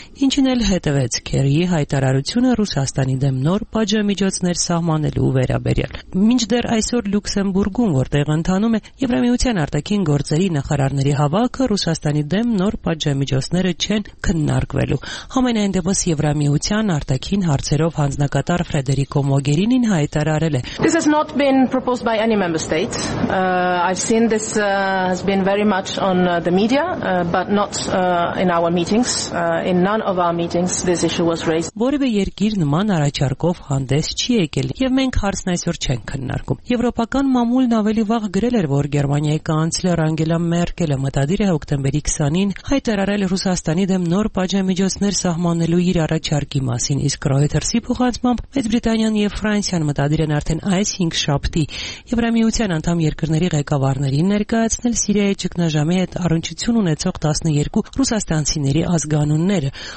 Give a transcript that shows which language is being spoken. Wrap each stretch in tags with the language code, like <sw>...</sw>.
<hy>ինչն էլ հետևեց Քերիի հայտարարությունը Ռուսաստանի դեմ նոր պատժամիջոցներ սահմանելու վերաբերյալ։ Մինչդեռ այսօր Լյուքսեմբուրգում, որտեղ ընթանում է Եվրամիության արտաքին գործերի նախարարների հավաքը, Ռուսաստանի դեմ նոր պատժամիջոցները չեն քննարկվելու։ Համենայն դեպս Եվրամիության արտաքին հարցերով հանձնակատար Ֆրեդերիկո Մոգերինին հայտարարել է.</hy> <en>This has not been proposed by any member state. I've seen this has been very much on the media, but not in our meetings. None of our meetings this issue was raised.</en> <hy>Որևէ երկիր նման առաջարկով հանդես չի եկել եւ մենք հարցն այսօր չենք քննարկում։ Եվրոպական մամուլն ավելի վաղ գրել էր, որ Գերմանիայի կանցլեր Անգելա Մերկելը մտադիր է հոկտեմբերի 20-ին հայտարարել Ռուսաստանի դեմ նոր պատժամիջոցներ սահմանելու իր առաջարկի մասին, իսկ Ռոյթերսի փոխանցմամբ Մեծ Բրիտանիան եւ Ֆրանսիան մտադիր են արդեն այս 5-7-ի Եվրամիության անդամ երկրների ղեկավարներին ներկայացնել Սիրիայի ճգնաժամի հետ առնչություն ունեցող 12 ռուսաստանցիների ազգանունները,</hy>